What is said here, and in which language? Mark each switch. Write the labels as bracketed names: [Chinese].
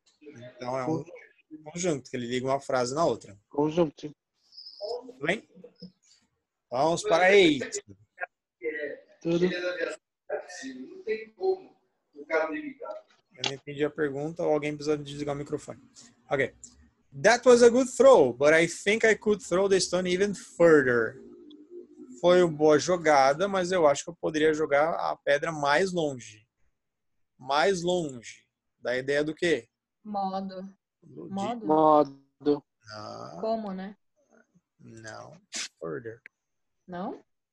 [Portuguese] Então, é um conjunto, que ele liga uma frase na outra. Conjunto. Tudo bem? Vamos para eight. Tudo. Não tem como o cara limitar. Eu não entendi a pergunta, ou alguém precisa desligar o microfone. Ok. [English] That was a good throw, but I think I could throw the stone even further. [Portuguese] Foi uma boa jogada, mas eu acho que eu poderia jogar a pedra mais longe. Mais longe. Da ideia do quê? Modo. Modo. Ah. Como, né? Não. Further. Não?